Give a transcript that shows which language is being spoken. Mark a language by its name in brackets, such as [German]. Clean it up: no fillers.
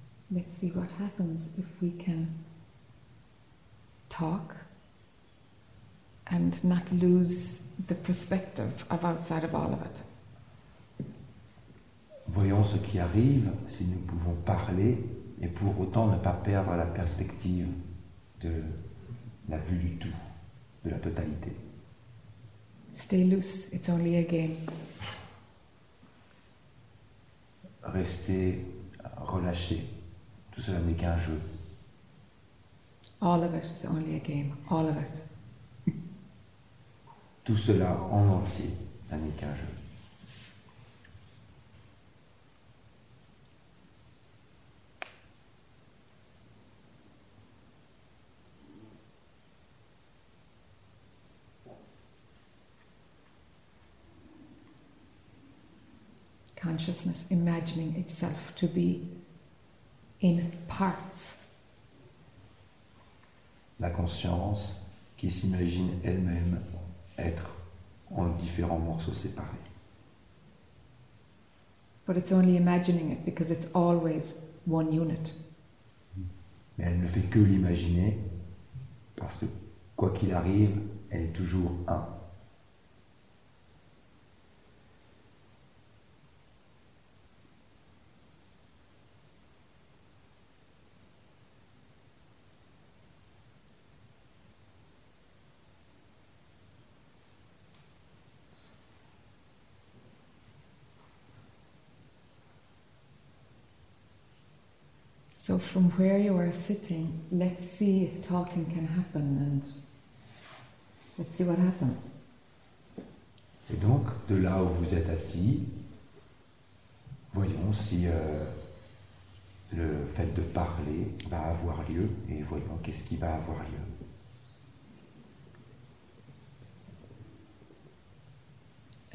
[English] Let's see what happens if we can talk and not lose the perspective of outside of all of it. [French] Voyons ce qui arrive si nous pouvons parler et pour autant ne pas perdre la perspective de la vue du tout, de la totalité. [English] Stay loose, it's only a game. [French] Restez relâché. Tout cela n'est qu'un jeu. [English] All of it is only a game. All of it. [French] Tout cela en entier, ça n'est qu'un jeu. [English] Consciousness imagining itself to be in parts. [French] La conscience qui s'imagine elle-même être en différents morceaux séparés. [English] But it's only imagining it because it's always one unit. [French] Mais elle ne fait que l'imaginer parce que quoi qu'il arrive, elle est toujours un. [English] So from where you are sitting, let's see if talking can happen and let's see what happens. [French] Et donc, de là où vous êtes assis, voyons si le fait de parler va avoir lieu et voyons qu'est-ce qui va avoir lieu.